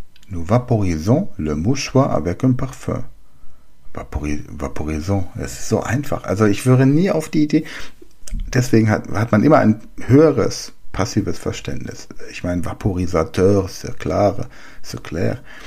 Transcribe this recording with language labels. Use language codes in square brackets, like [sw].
[fr] Nous vaporisons le mouchoir avec un parfum. [de] Vaporisons, es ist so einfach. Also ich würde nie auf die Idee, deswegen hat man immer ein höheres passives Verständnis. Ich meine, [fr] Vaporisateur, c'est clair.